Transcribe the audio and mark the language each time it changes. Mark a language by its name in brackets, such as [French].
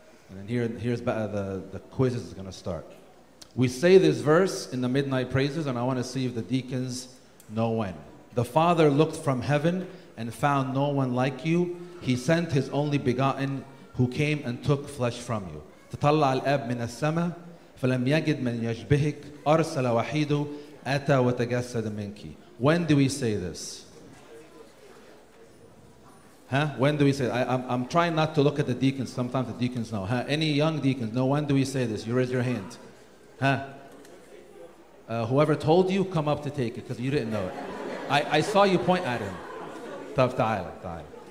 [English] And then here's the quizzes is going to start. We say this verse in the midnight praises, and I want to see if the deacons know when. The Father looked from heaven and found no one like you. He sent his only begotten who came and took flesh from you. [Arabic] تطلع الأب من السماء فلم يجد من يشبهك أرسل وحيده أتى وتجسد منك. [English] When do we say this? Huh? When do we say this? I'm trying not to look at the deacons. Sometimes the deacons know. Huh? Any young deacons know when do we say this? You raise your hand. Huh? Whoever told you, come up to take it because you didn't know it. I saw you point at him. طب تعال تعال.